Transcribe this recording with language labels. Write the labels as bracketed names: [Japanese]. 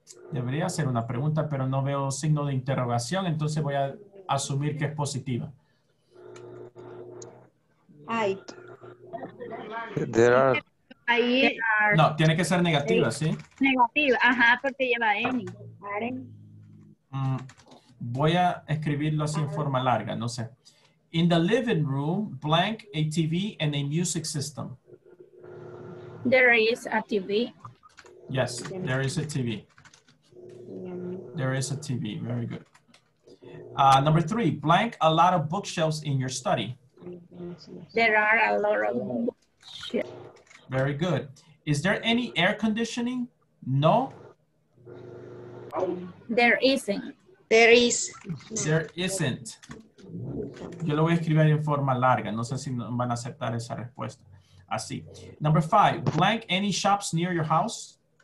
[Spanish] Debería ser una pregunta, pero no veo signo de interrogación, entonces voy a asumir que es positiva. Ay. [English] There are. [Spanish] No, tiene que ser negativa, ¿sí? Negativa, ajá, porque lleva N. Voy a escribirlo así en forma larga, no sé. [English] In the living room, blank, a TV and a music system. There is a TV. Very good. Number three, blank a lot of bookshelves in your study. There are a lot of bookshelves. Very good. Is there any air conditioning? No. There isn't. [Spanish] Yo lo voy a escribir en forma larga. No sé si van a aceptar esa respuesta. Así. [English] Number five, blank any shops near your house?